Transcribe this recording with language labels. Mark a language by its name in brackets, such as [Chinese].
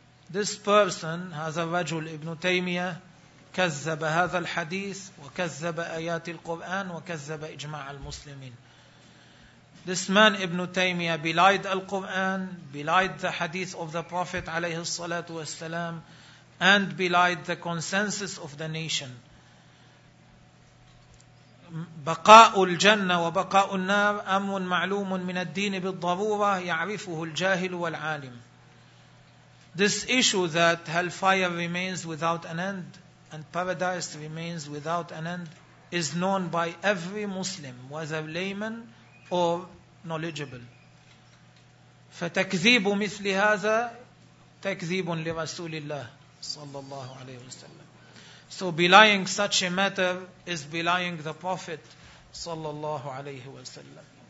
[English] This person, [Arabic] هذا الرجل ابن تيمية, كذب هذا الحديث وكذب آيات القرآن وكذب إجماع المسلمين. [English] This man ابن تيمية belied Al-Quran, belied the hadith of the Prophet [Arabic] عليه الصلاة والسلام, [English] and belied the consensus of the nation. [Arabic] بقاء الجنة وبقاء النار أمر معلوم من الدين بالضرورة يعرفه الجاهل والعالم. [English] This issue that hellfire remains without an end and paradise remains without an end is known by every Muslim, whether layman or knowledgeable. [Arabic] فتكذيب مثل هذا تكذيب لرسول الله صلى الله عليه وسلم. [English] So belying such a matter is belying the Prophet [Arabic] صلى الله عليه وسلم.